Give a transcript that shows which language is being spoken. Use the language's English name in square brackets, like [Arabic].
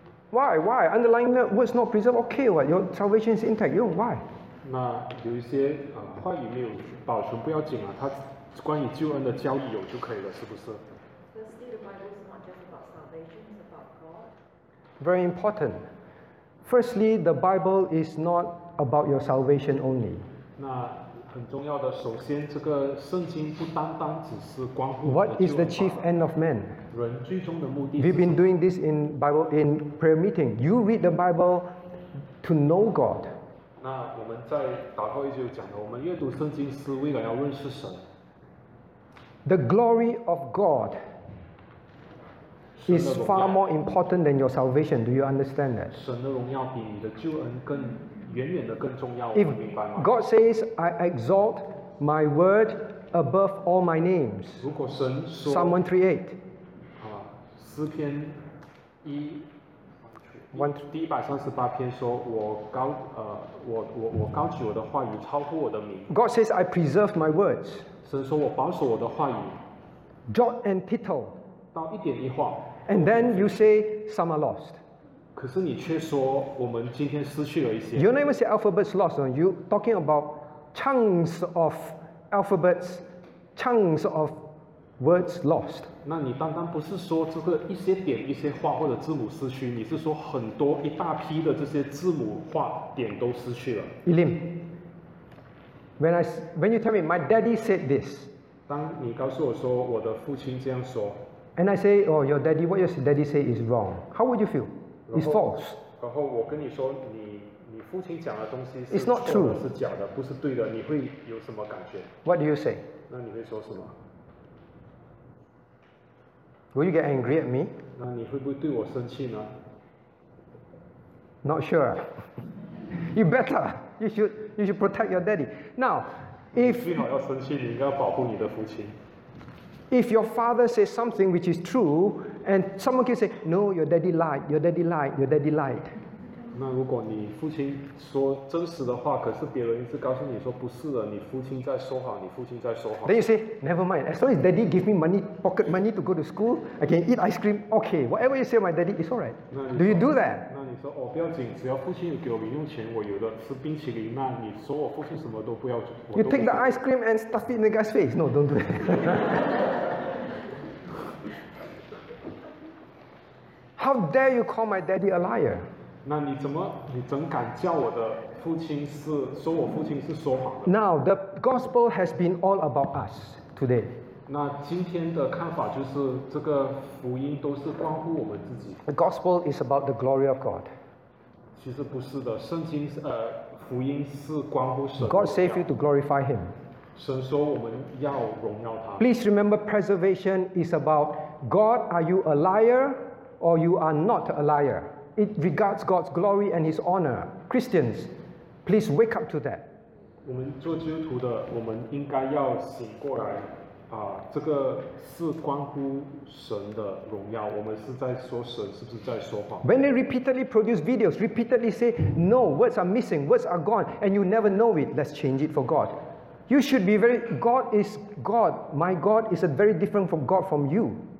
[English] Why? Underlying the words not preserved? Okay, what? Your salvation is intact. You know, why? [Chinese] 那有一些话语没有保存不要紧啊，它关于救恩的教义有就可以了，是不是？ [English] The study of the Bible is not just about salvation, it's about God. Very important. Firstly, the Bible is not about your salvation only. [Chinese] 那很重要的，首先这个圣经不单单只是关乎。 [English] What is the chief end of man? [Chinese] 人最终的目的。 [English] We've been doing this in prayer meeting. You read the Bible, to know God. [Chinese] 那我们在祷告里就讲了，我们阅读圣经是为了要认识神。 [English] The glory of God is far more important than your salvation. Do you understand that? [Chinese] 神的荣耀比你的救恩更远远的更重要。 [English] If God says, "I exalt my word above all my names." [Chinese] 如果神说 [English] Psalm 138, [Chinese] 诗篇一。第138篇说我高举我的话语超乎我的名。 [English] God says I preserve my words. [Chinese] 神说我保守我的话语。 [English] Jot and tittle. [Chinese] 到一点一画。 [English] And then you say some are lost. [Chinese] 可是你却说我们今天失去了一些。 [English] You don't even say alphabets lost. You talking about chunks of alphabets, chunks of words lost. [Chinese] 那你单单不是说这个一些点一些话或者字母失去，你是说很多一大批的这些字母话点都失去了。 [English] Elim, when you tell me my daddy said this, [Chinese] 当你告诉我说我的父亲这样说 [English] ，and I say, oh, your daddy, what your daddy say is wrong. How would you feel? It's false. [Chinese] 然后我跟你说你父亲讲的东西是 [English] It's not true. [Chinese] 是假的，不是对的，你会有什么感觉 [English] ？What do you say? [Chinese] 那你会说什么？ [English] Will you get angry at me? [Chinese] 那你会不会对我生气呢？ [English] Not sure. You better. You should protect your daddy. Now, if [Chinese] 最好要生气，你应该要保护你的父亲。 [English] If your father says something which is true, and someone can say, "No, your daddy lied. Your daddy lied. Your daddy lied." [Chinese] 那如果你父亲说真实的话，可是别人一直告诉你说不是的，你父亲在说谎，你父亲在说谎。 [English] Then you say, never mind. As long as daddy give me money, pocket money to go to school, I can eat ice cream. Okay, whatever you say, my daddy is alright. Do you do that? [Chinese] 那你说哦，不要紧，只要父亲有给我零用钱，我有的吃冰淇淋。那你说我父亲什么都不要紧。 [English] You take the ice cream and stuff it in the guy's face. No, don't do that. How dare you call my daddy a liar? [Chinese] 那你怎敢叫我的父亲是说我父亲是说谎的 [English] ？Now the gospel has been all about us today. [Chinese] 那今天的看法就是这个福音都是关乎我们自己。 [English] The gospel is about the glory of God. [Chinese] 其实不是的，圣经福音是关乎神。 [English] God saved you to glorify Him. [Chinese] 神说我们要荣耀他。 [English] Please remember, preservation is about God. Are you a liar or you are not a liar? It regards God's glory and His honor. Christians, please wake up to that. [Chinese] 我们做基督徒的，我们应该要醒过来。啊，这个是关乎神的荣耀。我们是在说神是不是在说谎 [English] ？When they repeatedly produce videos, repeatedly say no, words are missing, words are gone, and you never know it. Let's change it for God. You should be very. God is God. My God is a very different from God from you.